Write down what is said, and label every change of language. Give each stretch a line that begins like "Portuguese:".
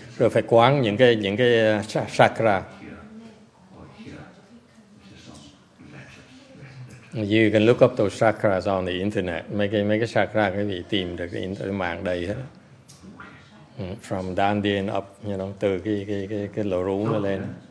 Vietnamese: Rồi phải quán những cái chakra.
English: You can look up those chakras on the internet.
Vietnamese: Mấy cái chakra quý vị tìm được internet mạng đầy hết.
English: From dandelion up, you know,
Vietnamese: từ cái lỗ rú nó lên.